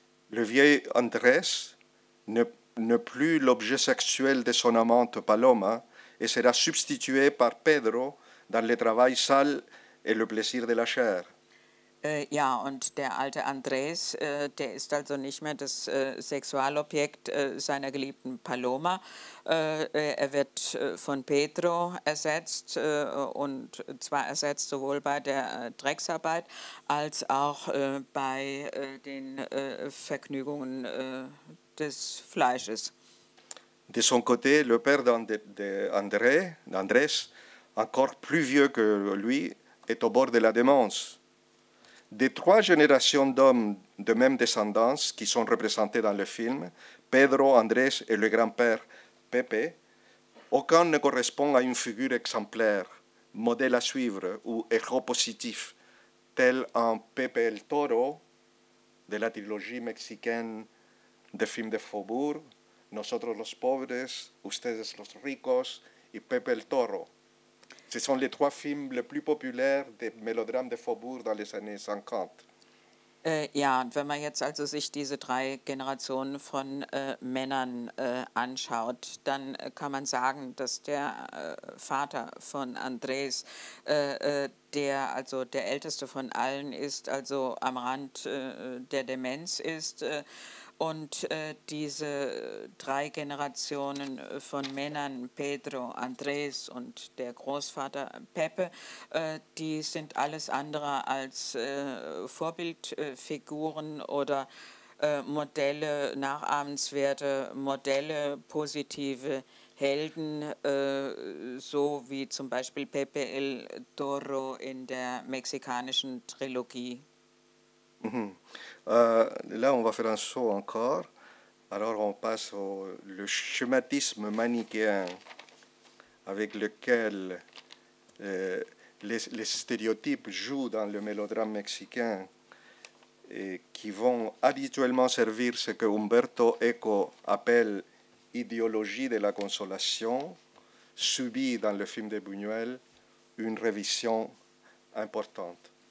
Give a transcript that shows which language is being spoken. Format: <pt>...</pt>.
<fr>Le vieil Andrés n'est plus l'objet sexuel de son amante Paloma et sera substitué par Pedro dans le travail sale et le plaisir de la chair.</fr> <de>Ja, und der alte Andrés, der ist also nicht mehr das Sexualobjekt seiner geliebten Paloma. Er wird von Pedro ersetzt, und zwar ersetzt sowohl bei der Drecksarbeit als auch bei den Vergnügungen des Fleisches.</de> <fr>De son côté, le père d'Andrés, encore plus vieux que lui, est au bord de la démence. Des trois générations d'hommes de même descendance qui sont représentés dans le film, Pedro, Andrés et le grand-père Pepe, aucun ne correspond à une figure exemplaire, modèle à suivre ou écho positif, tel un Pepe el Toro de la trilogie mexicaine des films de Faubourg, Nosotros los pobres, Ustedes los ricos et Pepe el Toro. Ce sont les trois films les plus populaires des mélodrames de Faubourg dans les années 50.</fr> <de>Ja, und wenn man jetzt also sich diese drei Generationen von Männern anschaut, dann kann man sagen, dass der Vater von Andrés, der also der älteste von allen ist, also am Rand der Demenz ist. Und diese drei Generationen von Männern, Pedro, Andrés und der Großvater Pepe, die sind alles andere als Vorbildfiguren oder Modelle, nachahmenswerte Modelle, positive Helden, so wie zum Beispiel Pepe el Toro in der mexikanischen Trilogie. Mm-hmm.</de> <fr>Là, on va faire un saut encore. Alors, on passe au le schématisme manichéen avec lequel les stéréotypes jouent dans le mélodrame mexicain et qui vont habituellement servir ce que Umberto Eco appelle idéologie de la consolation, subit dans le film de Buñuel une révision importante.</fr>